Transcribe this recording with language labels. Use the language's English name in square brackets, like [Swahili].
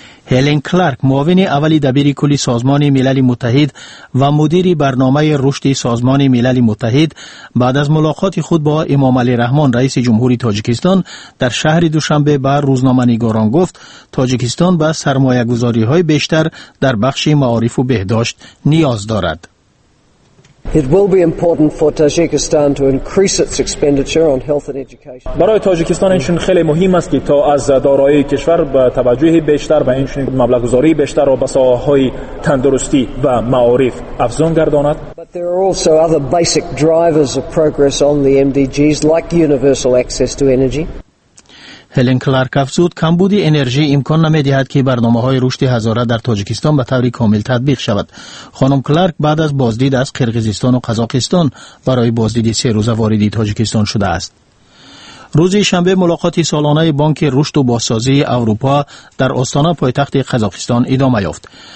[Persian] هلن کلارک، معاون اولی دبیر کل سازمان ملل متحد و مدیر برنامه رشد سازمان ملل متحد، بعد از ملاقات خود با امام علی رحمان رئیس جمهور تاجیکستان در شهر دوشنبه به روزنامه‌نگاران گفت تاجیکستان به سرمایه‌گذاری های بیشتر در بخش معارف و بهداشت نیاز دارد. [English] It will be important for Tajikistan to increase its expenditure on health and education. [Persian] برای تاجیکستان این چون خیلی مهم است که تا از دارایی کشور به توجه بیشتر و این چون مبلغ گذاری بیشتر را به ساحه‌های تندرستی و معارف افزون گرداند. [English] But there are also other basic drivers of progress on the MDGs like universal access to energy. [Persian] هلن کلارک افزود کمبود انرژی امکان نمی‌دهد که برنامه‌های رشد هزاره در تاجیکستان به طور کامل تطبیق شود. خانم کلارک بعد از بازدید از قرقیزستان و قزاقستان برای بازدید 3 روزه وارد تاجیکستان شده است. روز شنبه ملاقات سالانه بانک رشد و بازسازی اروپا در استانه پایتخت قزاقستان ادامه یافت.